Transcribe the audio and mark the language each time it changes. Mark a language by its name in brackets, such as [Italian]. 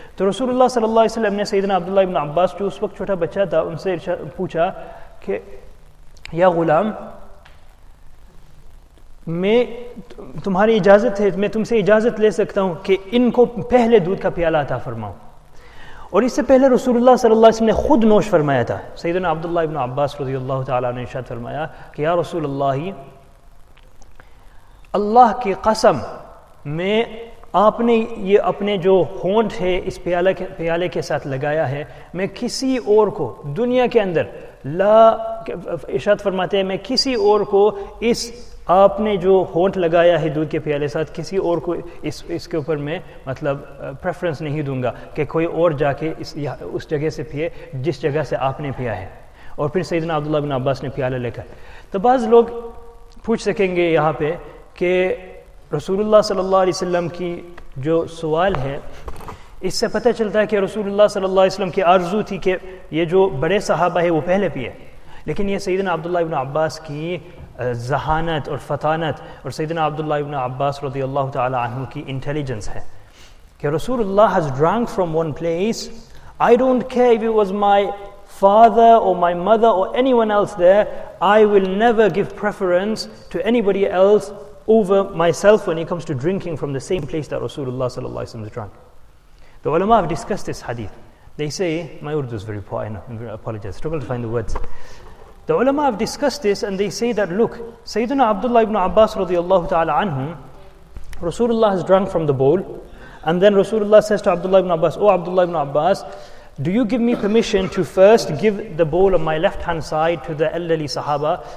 [Urdu] To Rasulullah sallallahu alaihi wasallam ne Sayyidina Abdullah bin Abbas, jo us waqt chota bachcha tha, unse pucha ke ya ghulam, میں تمہاری اجازت ہے, میں تم سے اجازت لے سکتا ہوں کہ ان کو پہلے دودھ کا پیالہ عطا فرماؤں. اور اس سے پہلے رسول اللہ صلی اللہ علیہ وسلم نے خود نوش فرمایا تھا. سیدنا عبداللہ ابن عباس رضی اللہ تعالیٰ نے ارشاد فرمایا کہ یا رسول اللہ, اللہ کی قسم, میں آپ نے یہ اپنے جو ہونٹ ہے اس پیالے کے ساتھ لگایا ہے, میں کسی اور کو دنیا کے اندر, لا ارشاد فرماتے ہیں, میں کسی اور کو اس, آپ نے جو ہونٹ لگایا ہے دودھ کے پیالے ساتھ, کسی اور کو اس کے اوپر میں مطلب پریفرنس نہیں دوں گا کہ کوئی اور جا کے اس جگہ سے پیے جس جگہ سے آپ نے پیا ہے. اور پھر سیدنا عبداللہ بن عباس نے پیالہ لے کر, تو بعض لوگ پوچھ سکیں گے یہاں پہ کہ رسول اللہ صلی اللہ علیہ وسلم کی جو سوال ہے, اس سے پتہ چلتا ہے کہ رسول اللہ صلی اللہ علیہ وسلم کی آرزو تھی کہ یہ جو بڑے صحابہ ہیں وہ پہلے پیے, لیکن یہ سیدنا عبداللہ ابن عباس کی ذہانت اور فطانت اور سیدنا عبداللہ ابن عباس رضی اللہ تعالی عنہ کی انٹیلیجنس ہے کہ [English] رسول اللہ has drank from one place, I don't care if it was my father or my mother or anyone else there, I will never give preference to anybody else over myself when it comes to drinking from the same place that Rasulullah صلی اللہ علیہ وسلم has drank. The ulama have discussed this hadith. They say, my Urdu is very poor, I know, I apologize, struggle to find the words. The ulama have discussed this and they say that, look, Sayyidina Abdullah ibn Abbas radiallahu ta'ala anhu, Rasulullah has drunk from the bowl, and then Rasulullah says to Abdullah ibn Abbas, oh Abdullah ibn Abbas, do you give me permission to first give the bowl on my left hand side to the elderly sahaba?